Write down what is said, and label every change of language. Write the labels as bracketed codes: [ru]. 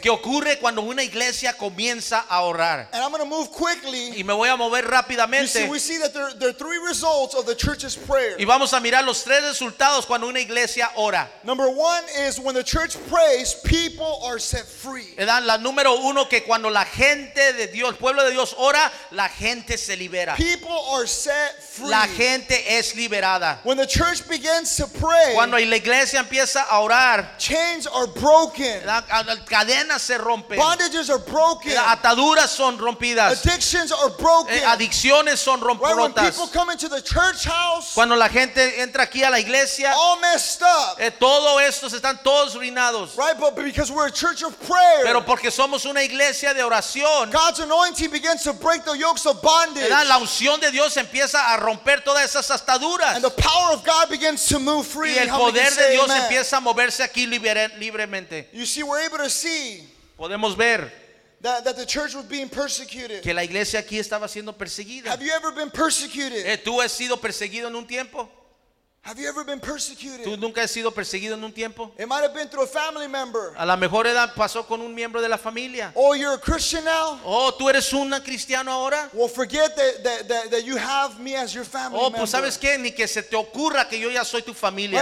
[es] Que ocurre cuando una iglesia comienza a orar. [en] And I'm going to move quickly. [es] Y me voy a mover rápidamente. [en] You see, we see that there are three results of the church's prayer. [es] Y vamos a mirar los tres resultados cuando una iglesia ora. [en] Number one is when the church prays, people are set free. [es] ¿Verdad? La número uno que cuando la gente de Dios, pueblo de Dios ora, la gente se libera. [en] People are set free. [es] La gente es liberada. [en] When the church begins to pray, [es] cuando la iglesia empieza a orar, [en] chains are broken. [es] Cadenas se rompen. [en] Bondages are broken. [es] Ataduras son rompidas. [en] Addictions are broken. [es] Adicciones son rotas. [en] Right, when people come into the church house, [es] cuando la gente entra aquí a la iglesia, [en] all messed up. [es] Todo esto están todos ruinados. [en] Right, but because we're a church of prayer, [es] pero porque somos una iglesia de oración, [en] God's anointing begins to break the yokes of bondage. [es] La unción de Dios empieza a romper todas esas ataduras. [en] And the power of God begins to move freely. [es] Y el poder de Dios empieza a moverse aquí. Libremente. [en] You see, we're able to see. [es] Podemos ver. [en] That the church was being persecuted. [es] Que la iglesia aquí estaba siendo perseguida. [en] Have you ever been persecuted? [es] ¿Tú has sido perseguido en un tiempo? [en] Have you ever been persecuted? [es] ¿Tú nunca has sido perseguido en un tiempo? [en] It might have been through a family member. [es] A la mejor edad pasó con un miembro de la familia. [en] Oh, you're a Christian now? [es] Oh, ¿tú eres un cristiano ahora? [en] Well, forget that you have me as your family member. [es] Oh, pues ¿sabes qué? Ni que se te ocurra que yo ya soy tu familia.